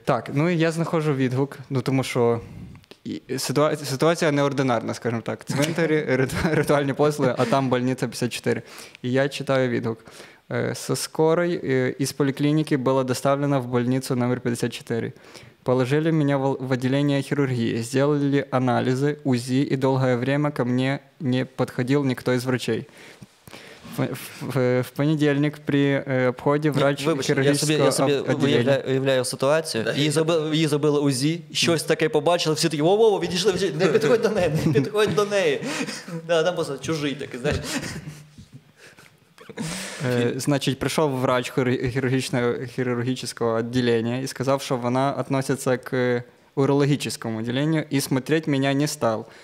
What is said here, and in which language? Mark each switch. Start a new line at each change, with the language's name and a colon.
Ukrainian: Так, ну і я знаходжу відгук, ну тому що ситуація неординарна, скажімо так. Цвинтарі, ритуальні послуги, а там «Больниця 54». І я читаю відгук.
Russian: «Со скорой із поліклініки була доставлена в «Больницу номер 54». Положили меня в отделение хирургии, сделали анализы, УЗИ, и долгое время ко мне не подходил никто из врачей. В понедельник при обходе врач хирургического отделения.
Ukrainian: Я собі уявляю ситуацію. Її зробили УЗІ, щось таке побачили, всі такі, відійшли, не підходь до неї, не підходь до неї. А там просто чужий такий, знаєш. Значить, прийшов врач хірургічного відділення і сказав, що вона відноситься к урологічному відділенню і смотреть мене не став.